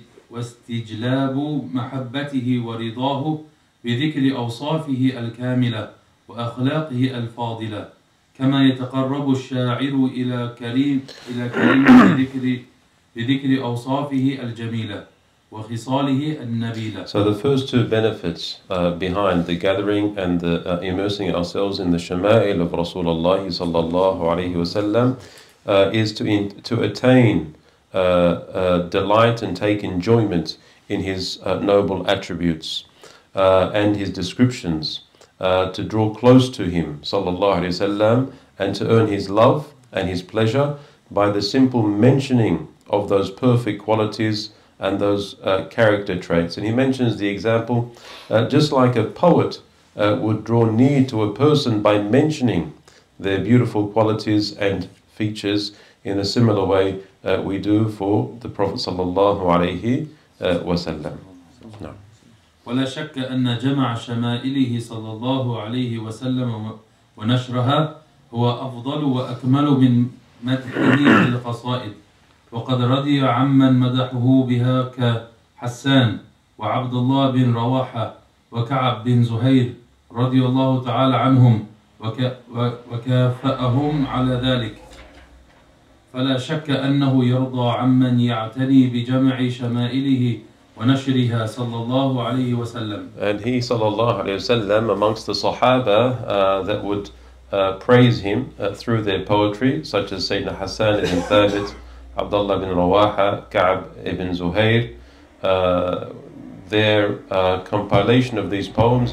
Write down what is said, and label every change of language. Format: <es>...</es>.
<ar>واستجلاب محبته ورضاه بذكر أوصافه الكاملة وأخلاقه الفاضلة، كما يتقرب الشاعر إلى كريم بذكر أوصافه الجميلة وخصاله النبيلة.</ar> <en>So the first two benefits behind the gathering and the immersing ourselves in the Shama'il of Rasulullah sallallahu alayhi wasallam is to attain delight and take enjoyment in his noble attributes and his descriptions, to draw close to him sallallahu alayhi wasallam, and to earn his love and his pleasure by the simple mentioning of those perfect qualities and those character traits. And he mentions the example, just like a poet would draw near to a person by mentioning their beautiful qualities and features, in a similar way we do for the Prophet sallallahu alayhi wasallam.</en> <ar>ولا شك أن جمع شمائله صلى الله عليه وسلم ونشرها هو أفضل وأكمل من مدحه للقصائد. وقد رضي عمن مدحه بها كحسان وعبد الله بن رواحة وكعب بن زهير رضي الله تعالى عنهم وكافأهم على ذلك. فلا شك أنه يرضى عمن يعتني بجمع شمائله ونشرها صلى الله عليه وسلم.</ar> <en>And he صلى الله عليه وسلم amongst the Sahaba that would praise him through their poetry, such as Sayyidina Hassan ibn Thabit, Abdullah ibn Rawaha, Ka'ab ibn Zuhair, their compilation of these poems.</en>